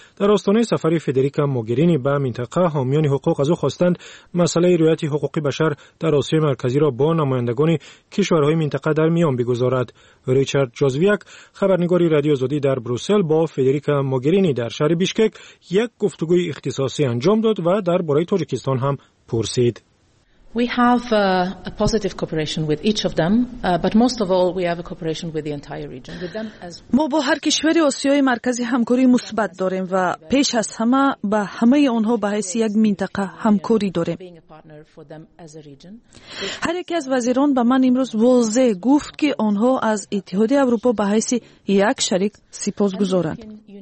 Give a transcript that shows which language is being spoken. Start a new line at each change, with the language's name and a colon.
Persian: در آستانه سفر فدریکا موگرینی به منطقه حامیان حقوق از او خواستند مسئله رعایت حقوق بشر در آسیا مرکزی را با نمایندگان کشورهای منطقه در میان بگذارد. ریچارد جوزویک خبرنگار رادیو آزادی در بروسل با فدریکا موگرینی در شهر بیشکک یک گفتگوی اختصاصی انجام داد و درباره تاجیکستان هم پرسید.
English: We have a positive cooperation with each of them, but most of all we have a cooperation with the entire region. With them
Persian: as ما با هر کشور آسیای مرکزی همکاری مثبت داریم و پیش از همه با همه آنها به حیث یک منطقه همکاری داریم. هر یک از وزیران به من امروز واضح گفت که آنها از اتحادیه اروپا به حیث یک شریک سپاسگزارند.